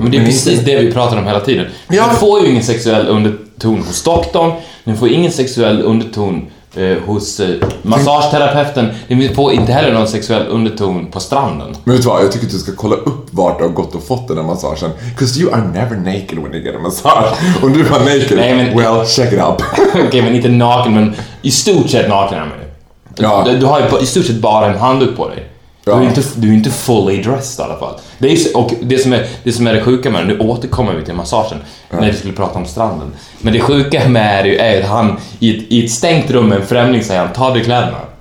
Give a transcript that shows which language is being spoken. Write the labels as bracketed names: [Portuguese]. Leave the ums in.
[Swedish] Men det är men precis det vi pratar om hela tiden. Ja. Du får ju ingen sexuell underton hos doktorn, du får ingen sexuell underton Eh, hos eh, massageterapeuten. Det får inte heller någon sexuell underton på stranden. Men vet du vad? Jag tycker du ska kolla upp vart du har gått och fått den där massagen. [English] 'Cause you are never naked when you get a massage. [Swedish] Om du var naken, [English] well, check it up. [Swedish] Okej, okay, men inte naken, men i stort sett naken är man ju. Ja. Du, du har ju i stort sett bara en handduk på dig. Ja. Du, är inte, du är inte fully dressed i alla fall. Det, är, så, och det, som är, det som är det sjuka med den, nu återkommer vi till massagen, när ja. vi skulle prata om stranden. Men det sjuka med det är att han i ett, i ett stängt rum med en främling säger han, ta dig kläderna.